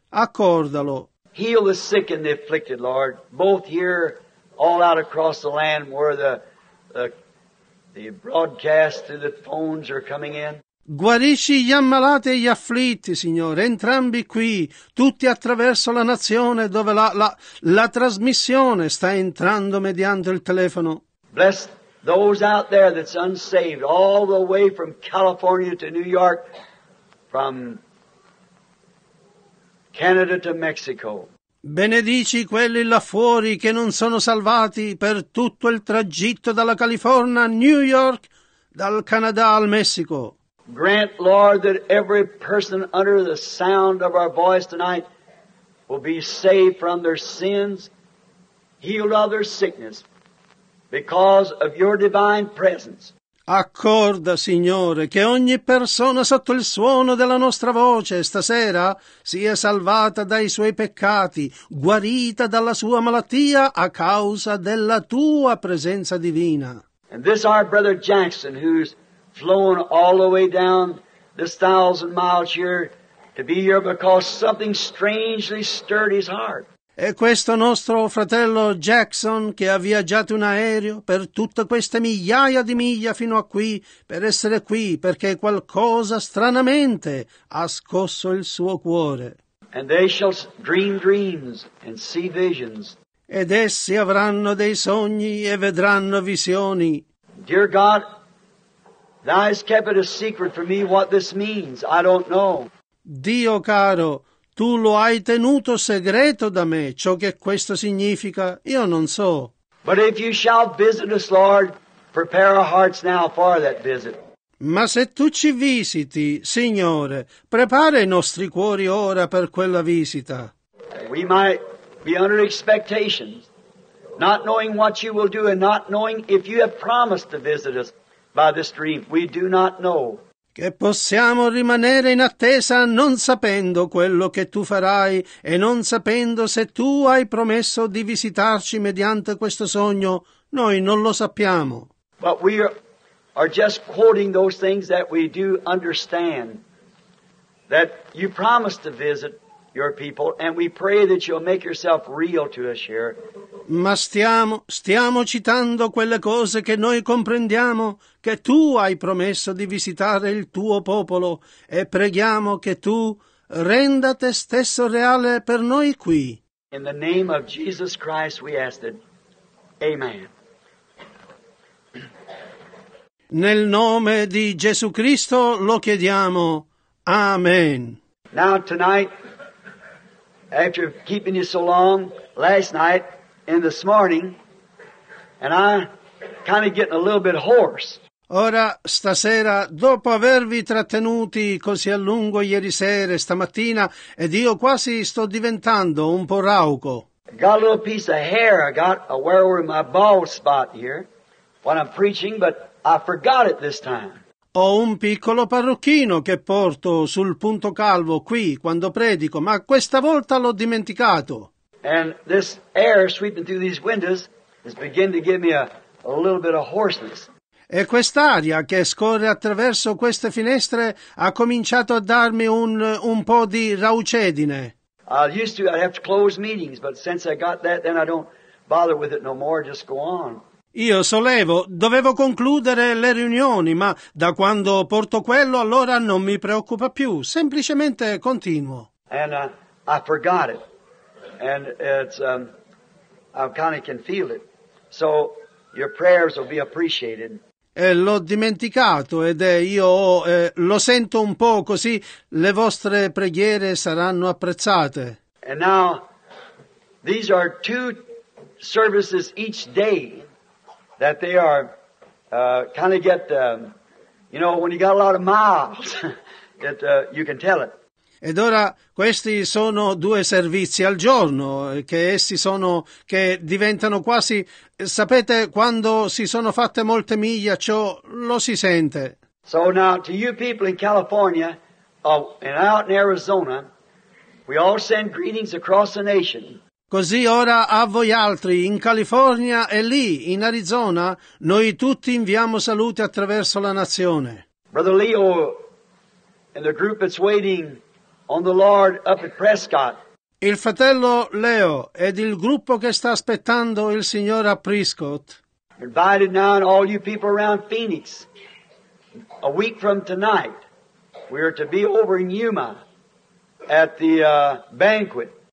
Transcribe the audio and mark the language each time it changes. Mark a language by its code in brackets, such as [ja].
[it] Accordalo. [en] Heal the sick and the afflicted, Lord, both here, all out across the land where the broadcast through the phones are coming in. [it] Guarisci gli ammalati e gli afflitti, Signore, entrambi qui, tutti attraverso la nazione dove la trasmissione sta entrando mediante il telefono. [en] Bless those out there that's unsaved, all the way from California to New York, from Canada to Mexico. [it] Benedici quelli là fuori che non sono salvati per tutto il tragitto dalla California a New York, dal Canada al Messico. [en] Grant, Lord, that every person under the sound of our voice tonight will be saved from their sins, healed of their sickness. Because of your divine presence. [it] Accorda, Signore, che ogni persona sotto il suono della nostra voce stasera sia salvata dai suoi peccati, guarita dalla sua malattia a causa della tua presenza divina. [en] And this our brother Jackson, who's flown all the way down this 1,000 miles here to be here because something strangely stirred his heart. [it] E questo nostro fratello Jackson, che ha viaggiato in aereo per tutte queste migliaia di miglia fino a qui, per essere qui, perché qualcosa stranamente ha scosso il suo cuore. [en] And they shall dream dreams and see visions. [it] Ed essi avranno dei sogni e vedranno visioni. [en] Dear God, Thou hast kept it a secret for me what this means. I don't know. [it] Dio caro, Tu lo hai tenuto segreto da me, ciò che questo significa, io non so. [en] But if you shall visit us, Lord, prepare our hearts now for that visit. [it] Ma se Tu ci visiti, Signore, prepara i nostri cuori ora per quella visita. [en] We might be under expectations, not knowing what You will do and not knowing if You have promised to visit us by this dream. We do not know. [it] Che possiamo rimanere in attesa non sapendo quello che Tu farai e non sapendo se Tu hai promesso di visitarci mediante questo sogno, noi non lo sappiamo. [en] But we are just quoting those things that we do understand, that You promised to visit Your people, and we pray that You'll make Yourself real to us here. [it] Ma stiamo citando quelle cose che noi comprendiamo, che Tu hai promesso di visitare il Tuo popolo, e preghiamo che Tu renda Te stesso reale per noi qui. [en] In the name of Jesus Christ we ask it. Amen. [it] Nel nome di Gesù Cristo lo chiediamo. Amen. [en] Now tonight, after keeping you so long last night and this morning, and I'm kind of getting a little bit hoarse. [it] Ora stasera, dopo avervi trattenuti così a lungo ieri sera e stamattina, ed io quasi sto diventando un po' rauco. [en] Got a little piece of hair. I got a wear over my bald spot here when I'm preaching, but I forgot it this time. [it] Ho un piccolo parrucchino che porto sul punto calvo qui quando predico, ma questa volta l'ho dimenticato. [en] And this air sweeping through these windows is beginning to give me a little bit of hoarseness. [it] E quest'aria che scorre attraverso queste finestre ha cominciato a darmi un po' di raucedine. [en] I'd have to close meetings, but since I got that, then I don't bother with it no more. Just go on. [it] Io dovevo concludere le riunioni, ma da quando porto quello allora non mi preoccupa più, semplicemente continuo. [en] And I forgot it, and it's I kind of can feel it. So your prayers will be appreciated. [it] E l'ho dimenticato ed io lo sento un po' così, le vostre preghiere saranno apprezzate. [en] And now these are two services each day. That they are kind of get you know, when you got a lot of miles that you can tell it. [it] Ed ora questi sono due servizi al giorno che essi sono che diventano quasi, sapete, quando si sono fatte molte miglia, ciò lo si sente. [en] So now to you people in California and out in Arizona, we all send greetings across the nation. [it] Così ora a voi altri, in California e lì, in Arizona, noi tutti inviamo saluti attraverso la nazione. [en] Brother Leo and the group that's waiting on the Lord up at Prescott. [it] Il fratello Leo ed il gruppo che sta aspettando il Signore a Prescott. [en] Invited now and all you people around Phoenix. A week from tonight, we are to be over in Yuma at the banquet.